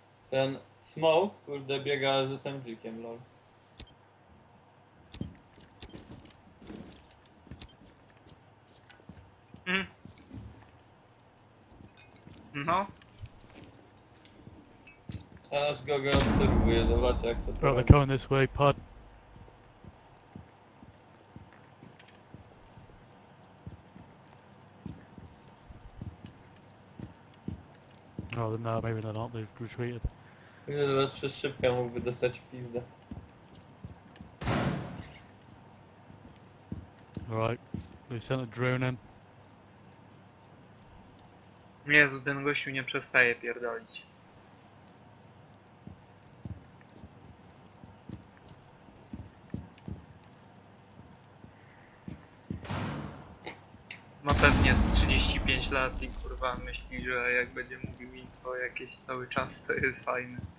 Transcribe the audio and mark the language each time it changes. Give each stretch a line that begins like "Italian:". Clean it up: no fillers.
Polish: Ten smoke, kurde, biega z SMG-kiem, lol. No. Teraz go obserwuję, zobacz jak to.
English: Bro, they're coming this way, pod. No, then no, maybe they're not, they've retreated.
Polish: Widzę, że teraz przez szybkę mógłby dostać pizdę.
English: Alright, they sent a drone in.
Polish: Jezu, ten gościu nie przestaje pierdolić. Ma pewnie z 35 lat i kurwa myśli, że jak będzie mówił mi to jakiś cały czas, to jest fajne.